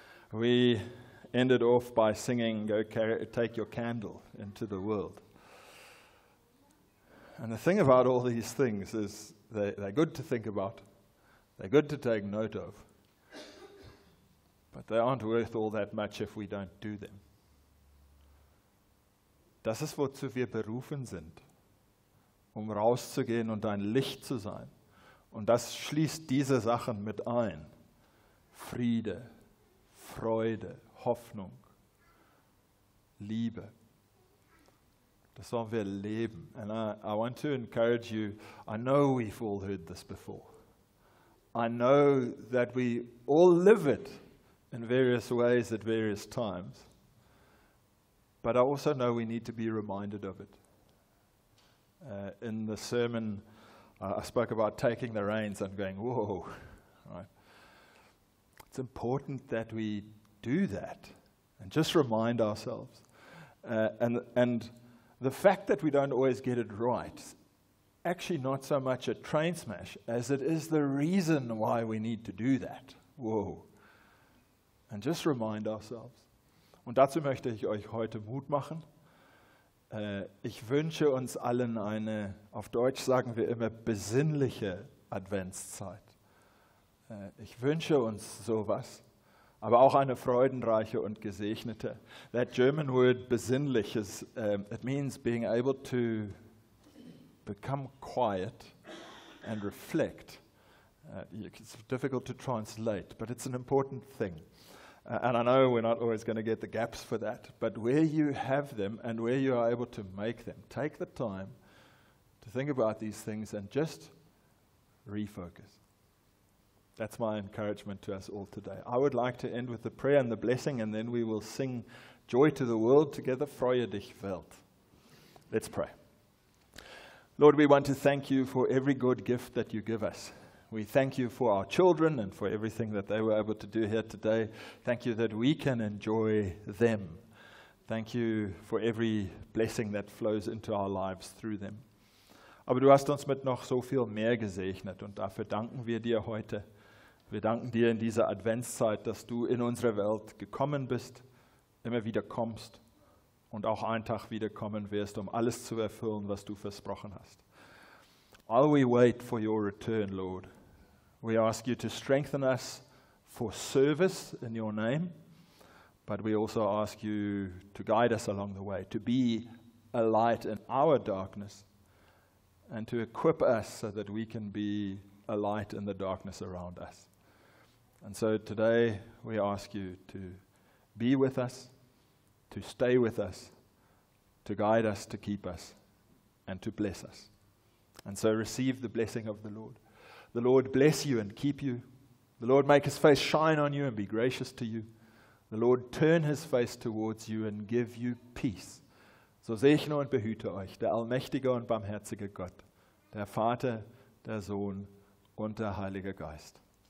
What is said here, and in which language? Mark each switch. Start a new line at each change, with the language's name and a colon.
English: We ended off by singing, "Go take your candle into the world." And the thing about all these things is they're good to think about. They're good to take note of. But they aren't worth all that much if we don't do them.
German: Das ist, wozu wir berufen sind, um rauszugehen und ein Licht zu sein. Und das schließt diese Sachen mit ein. Friede, Freude, Hoffnung, Liebe. Das sollen wir leben.
English: And I want to encourage you, I know we've all heard this before. I know that we all live it in various ways at various times. But I also know we need to be reminded of it. In the sermon, I spoke about taking the reins and going, whoa. Right? It's important that we do that and just remind ourselves. And the fact that we don't always get it right is actually not so much a train smash as it is the reason why we need to do that. Whoa. And just remind ourselves.
German: Und dazu möchte ich euch heute Mut machen. Ich wünsche uns allen eine, auf Deutsch sagen wir immer, besinnliche Adventszeit. Ich wünsche uns sowas, aber auch eine freudenreiche und gesegnete.
English: That German word besinnlich, it means being able to become quiet and reflect. It's difficult to translate, but it's an important thing. And I know we're not always going to get the gaps for that, but where you have them and where you are able to make them, take the time to think about these things and just refocus. That's my encouragement to us all today. I would like to end with the prayer and the blessing, and then we will sing Joy to the World together, Freue dich Welt. Let's pray. Lord, we want to thank you for every good gift that you give us. We thank you for our children and for everything that they were able to do here today. Thank you that we can enjoy them. Thank you for every blessing that flows into our lives through them.
German: Aber du hast uns mit noch so viel mehr gesegnet und dafür danken wir dir heute. Wir danken dir in dieser Adventszeit, dass du in unsere Welt gekommen bist, immer wieder kommst und auch einen Tag wiederkommen wirst, um alles zu erfüllen, was du versprochen hast.
English: While we wait for your return, Lord, we ask you to strengthen us for service in your name, but we also ask you to guide us along the way, to be a light in our darkness, and to equip us so that we can be a light in the darkness around us. And so today we ask you to be with us, to stay with us, to guide us, to keep us, and to bless us. And so receive the blessing of the Lord. The Lord bless you and keep you. The Lord make his face shine on you and be gracious to you. The Lord turn his face towards you and give you peace.
German: So segne und behüte euch, der allmächtige und barmherzige Gott, der Vater, der Sohn und der Heilige Geist.